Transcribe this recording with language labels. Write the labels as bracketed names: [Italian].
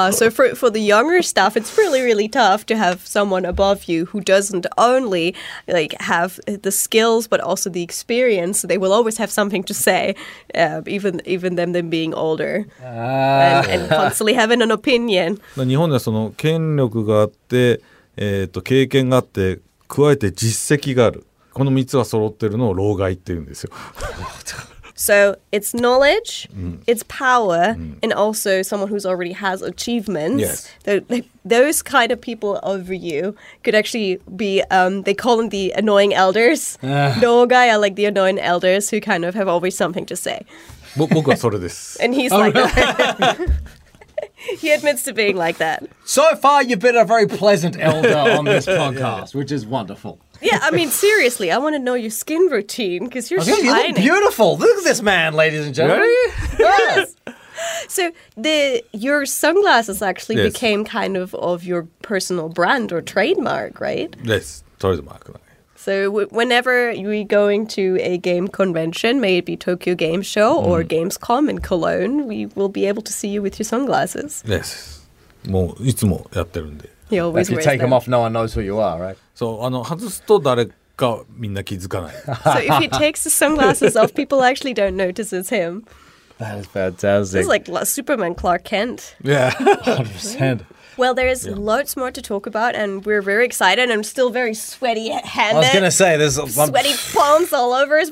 [English] So for the younger staff it's really really tough to have someone above you who doesn't only like have the skills but also the experience they will always have something to say even them being older and constantly having an opinion [Japanese] 日本ではその権力があって経験があって加えて実績があるこの3つが揃ってるのを老害って言うんですよ [English] So it's knowledge, it's power, and also someone who's already has achievements. Yes. Those kind of people over you could actually be, they call them the annoying elders. Nogai are like the annoying elders who kind of have always something to say. [Japanese] 僕はそれです。 [English] And he's like that. He admits to being like that. So far, you've been a very pleasant elder on this podcast, which is wonderful. Yeah, I mean, seriously, I want to know your skin routine because you're shining. You look beautiful. Look at this man, ladies and gentlemen. Really? Yes. So your sunglasses actually became kind of your personal brand or trademark, right? Yes, trademark. So whenever you're going to a game convention, maybe Tokyo Game Show or Gamescom in Cologne, we will be able to see you with your sunglasses. [Japanese] Yes. もういつもやってるんで。 [English] He always wears them. If you take them off, no one knows who you are, right? [Japanese] So,外すと誰かみんな気づかない。 [English] So if he takes the sunglasses off, people actually don't notice it's him. That is fantastic. He's like Superman Clark Kent. Yeah. 100%. Well, there is lots more to talk about, and we're very excited. I'm still very sweaty handed. I was going to say, there's sweaty palms all over us.